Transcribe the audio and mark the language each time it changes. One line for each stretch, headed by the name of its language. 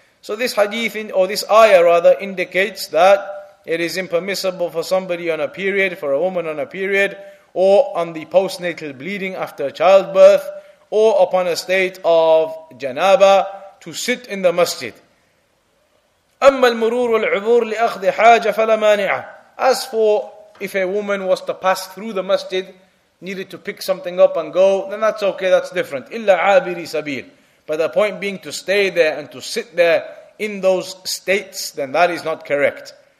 English: So this hadith, or this ayah rather, indicates that it is impermissible for somebody on a period, for a woman on a period, or on the postnatal bleeding after childbirth, or upon a state of janaba, to sit in the masjid.
Arabic: أما المرور والعبور لأخذ حاجة فلا مانع.
English: As for if a woman was to pass through the masjid, needed to pick something up and go, then that's okay, that's different.
Arabic: إلا عابري سبيل.
English: But the point being to stay there and to sit there in those states, then that is not correct.